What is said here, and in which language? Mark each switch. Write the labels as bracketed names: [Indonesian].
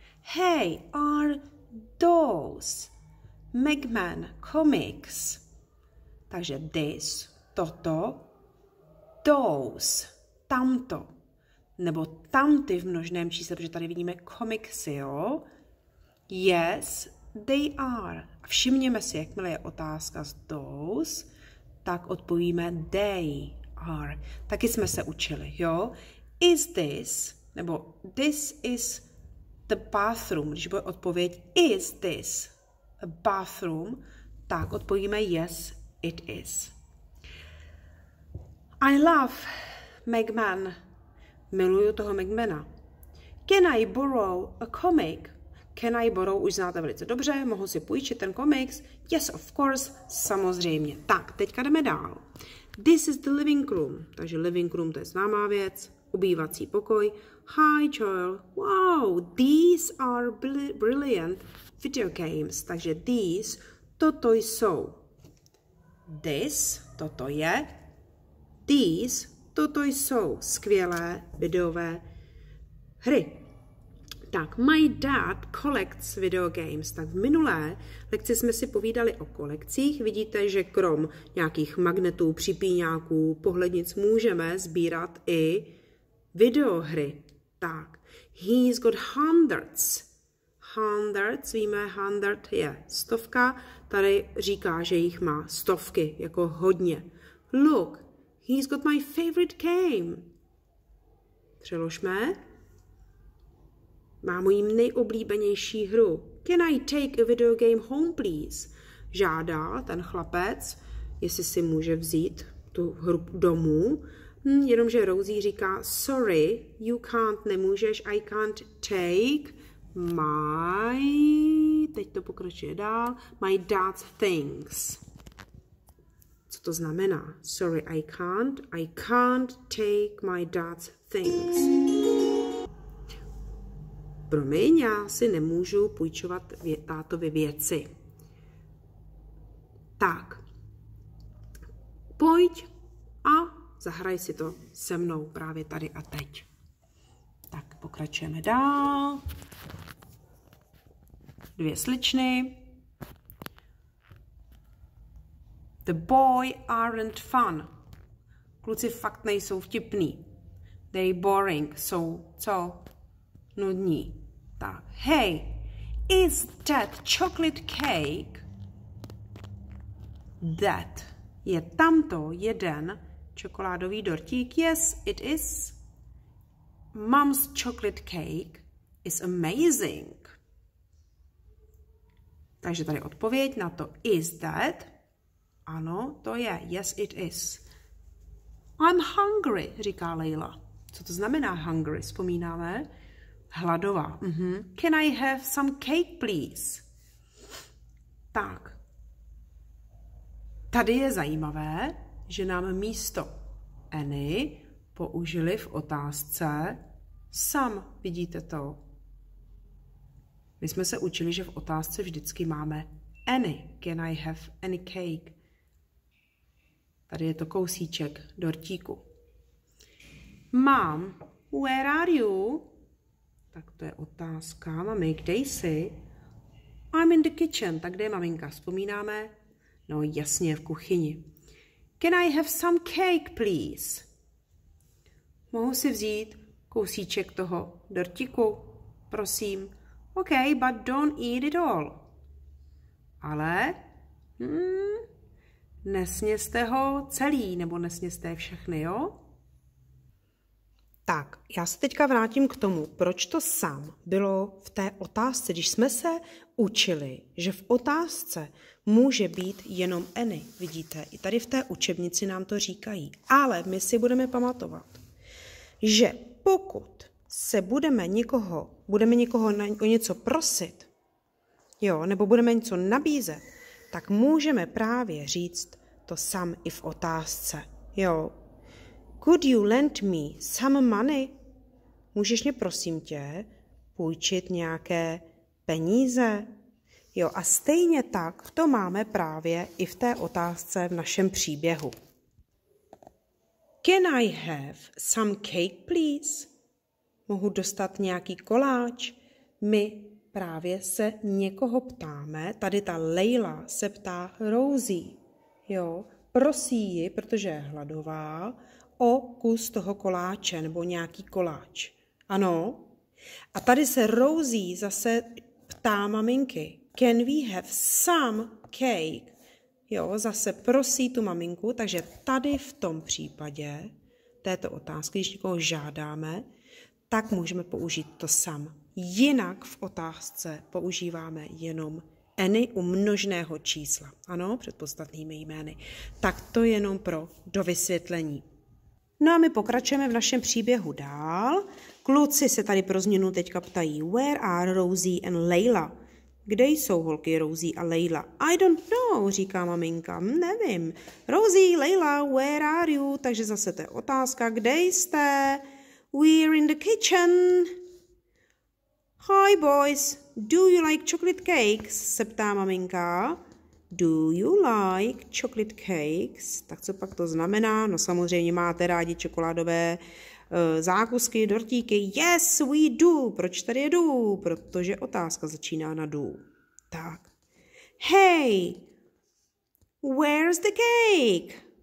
[English] Hey, are those Mega Man comics? [Czech] Takže [English] this, [Czech] toto, those, tamto, nebo tamty v množném čísle, protože tady vidíme komiksy, jo? [English] Yes, they are. [Czech] A všimněme si, jakmile je otázka z those, tak odpovíme [English] they are. [Czech] Taky jsme se učili, jo? [English] Is this, [Czech] nebo [English] this is the bathroom, [Czech] když bude odpověď [English] is this a bathroom, [Czech] tak odpovíme [English] yes, it is. I love Megman. [Czech] Miluju toho Megmana. [English] Can I borrow a comic? Can I borrow [Czech] už znáte velice dobře, mohu si půjčit ten [English] comics. Yes, of course, [Czech] samozřejmě. Tak, teďka jdeme dál. [English] This is the living room. [Czech] Takže [English] living room, [Czech] to je známá věc. Ubývací pokoj. [English] Hi, Joel. Wow, these are brilliant video games. [Czech] Takže [English] these, [Czech] toto jsou. [English] This, [Czech] toto je. [English] These, [Czech] toto jsou skvělé videové hry. Tak, [English] my dad collects video games. [Czech] Tak v minulé lekci jsme si povídali o kolekcích. Vidíte, že krom nějakých magnetů, připíňáků, pohlednic můžeme sbírat i videohry. Tak, [English] he's got hundreds. Hundreds, [Czech] víme, hundred je stovka. Tady říká, že jich má stovky, jako hodně. [English] Look, he's got my favorite game. [Czech] Přeložme. Má mojím nejoblíbenější hru. [English] Can I take a video game home, please? [Czech] Žádá ten chlapec, jestli si může vzít tu hru domů. Jenomže Rosie říká, [English] sorry, you can't, [Czech] nemůžeš, [English] I can't take my, [Czech] teď to pokračuje dál, [English] my dad's things. [Czech] Co to znamená? [English] Sorry, I can't take my dad's things. [Czech] Promiň, já si nemůžu půjčovat tátovi věci. Tak, pojď a zahraj si to se mnou právě tady a teď. Tak, pokračujeme dál. Dvě sličny. [English] The boy aren't fun. [Czech] Kluci fakt nejsou vtipný. [English] They boring. [Czech] Jsou co? Nudní. [English] Tak, hey, is that chocolate cake? That. [Czech] Je tamto jeden čokoládový dortík? [English] Yes, it is. Mom's chocolate cake is amazing. [Czech] Takže tady odpověď na to, [English] is that? [Czech] Ano, to je. [English] Yes, it is. I'm hungry, [Czech] říká Leila. Co to znamená hungry, vzpomínáme? Hladová. Mm-hmm. [English] Can I have some cake, please? [Czech] Tak. Tady je zajímavé, že nám místo any použili v otázce some. Vidíte to? My jsme se učili, že v otázce vždycky máme any. [English] Can I have any cake? [Czech] Tady je to kousíček dortíku. [English] Mom, where are you? [Czech] Tak to je otázka. Mami, kde jsi? [English] I'm in the kitchen. [Czech] Tak kde je maminka? Vzpomínáme? No jasně, v kuchyni. [English] Can I have some cake, please? [Czech] Mohu si vzít kousíček toho dortíku, prosím. [English] OK, but don't eat it all. [Czech] Ale nesnězte ho celý, nebo nesnězte všechny, jo? Tak, já se teďka vrátím k tomu, proč to sam bylo v té otázce, když jsme se učili, že v otázce může být jenom any. Vidíte, i tady v té učebnici nám to říkají. Ale my si budeme pamatovat, že pokud se budeme někoho o něco prosit, jo, nebo budeme něco nabízet, tak můžeme právě říct to sam i v otázce, jo. [English] Could you lend me some money? [Czech] Můžeš mě prosím tě půjčit nějaké peníze? Jo, a stejně tak to máme právě i v té otázce v našem příběhu. [English] Can I have some cake, please? [Czech] Mohu dostat nějaký koláč? My právě se někoho ptáme. Tady ta Leila se ptá Rosie. Jo, prosí ji, protože je hladová, o kus toho koláče nebo nějaký koláč. Ano? A tady se Rosie zase ptá maminky. [English] Can we have some cake? [Czech] Jo, zase prosí tu maminku, takže tady v tom případě této otázky, když někoho žádáme, tak můžeme použít to sam. Jinak v otázce používáme jenom any u množného čísla. Ano, před podstatnými jmény. Tak to jenom pro dovysvětlení. No a my pokračujeme v našem příběhu dál. Kluci se tady pro změnu teďka ptají, [English] where are Rosie and Layla? [Czech] Kde jsou holky Rosie a Layla? [English] I don't know, [Czech] říká maminka. Nevím. [English] Rosie, Layla, where are you? [Czech] Takže zase to je otázka. Kde jste? [English] We're in the kitchen. Hi, boys. Do you like chocolate cakes? [Czech] Se ptá maminka. [English] Do you like chocolate cakes? [Czech] Tak co pak to znamená? No samozřejmě máte rádi čokoládové zákusky, dortíky. [English] Yes, we do. [Czech] Proč tady je do? Protože otázka začíná na do. Tak. [English] Hey, where's the cake?